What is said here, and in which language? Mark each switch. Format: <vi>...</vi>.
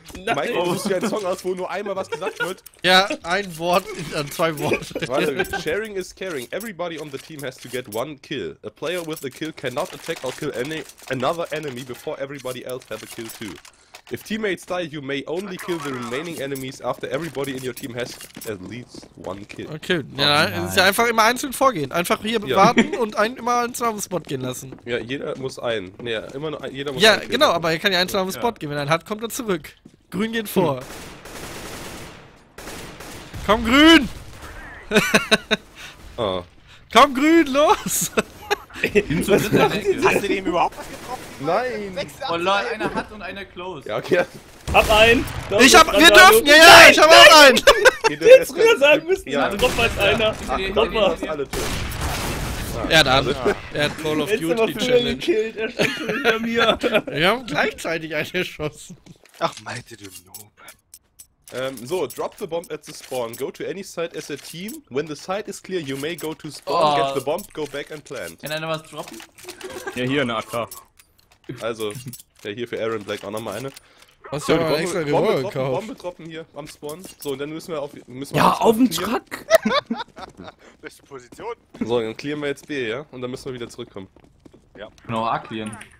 <de>Mike, du suchst dir einen Song aus, wo nur einmal was gesagt wird. Ja, ein Wort, dann zwei Worte. Warte,</de> <en>sharing is caring. Everybody on the team has to get one kill. A player with a kill cannot attack or kill another enemy before everybody else have a kill too. If teammates die, you may only kill the remaining enemies after everybody in your team has at least one kill.</en> <de>Okay, ja, es ist ja einfach immer einzeln vorgehen. Einfach hier warten und einen immer einen zu einem Spot gehen lassen. Ja, jeder muss einen. Nee, immer nur jeder muss ja, einen. Ja, genau, aber er kann ja einen zu einem Spot gehen. Wenn er einen hat, kommt er zurück. Grün geht vor. Komm, Grün! Oh. Komm, Grün, los! Hast du dem überhaupt was getroffen? Nein! Oh Leute, einer hat und einer close. Ja, okay. Hab einen! Ich hab. Wir dürfen! Ja, ich hab auch einen! Jetzt früher sagen müssen, ja, doch mal einer! Doch mal! Ja, da. Er hat Call of Duty Challenge. Er schießt schon hinter mir! Wir haben gleichzeitig einen erschossen. Ach, meinte du Noob.</de> <en>So, drop the bomb at the spawn. Go to any site as a team. When the site is clear, you may go to spawn, get the bomb, go back and plant.</en> <de>Kann einer was droppen? Ja, hier eine AK. Also, ja, hier für Aaron Black auch nochmal eine. Hast du aber extra Revolver gekauft? Bombe droppen hier am Spawn. So, und dann müssen wir auf. Müssen ja, auf den Truck! Beste Position. So, dann clearen wir jetzt B, ja? Und dann müssen wir wieder zurückkommen. Ja. Genau, A clearen.</de>